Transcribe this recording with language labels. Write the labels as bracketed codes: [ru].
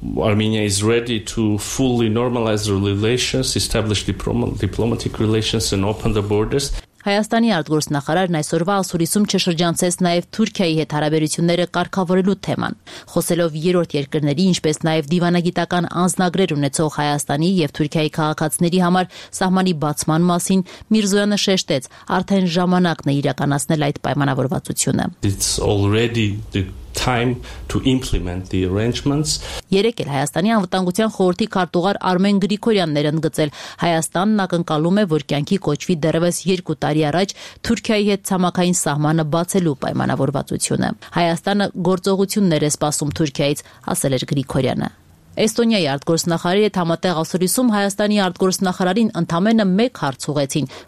[en] Armenia is ready to fully normalize relations, establish diplomatic relations and open the borders. [hy] Հայաստանի արտգործնախարարն այսօրվա Ասուրիսում չշրջանցեց նաև Թուրքիայի հետ հարաբերությունները կարգավորելու թեման, խոսելով երրորդ երկրների, ինչպես նաև դիվանագիտական անձնագրեր ունեցող Հայաստանի և Թուրքիայի քաղաքացիների համար սահմանի բացման մասին, Միրզոյանը շեշտեց, արդեն ժամանակն է իրականացնել այդ պայմանավորվածությունը։ [en] It's already the time to implement the arrangements. [hy] Երեկ էլ Հայաստանի անվտանգության խորհրդի քարտուղար Արմեն Գրիգորյան ներընդգծել, Հայաստանն ակնկալում է, որ կյանքի կոչվի դեռևս 2 տարի առաջ Թուրքիայի հետ ցամաքային սահմանը բացելու պայմանավորվածությունը։ Հայաստանը գործողություններ է սպասում Թուրքիայից, ասել էր Գրիգորյանը։ Էստոնիայի արտգործնախարարի հետ համատեղ Ասուրիսում Հայաստանի արտգործնախարարին ընդամենը մեկ հարց ուղեցին.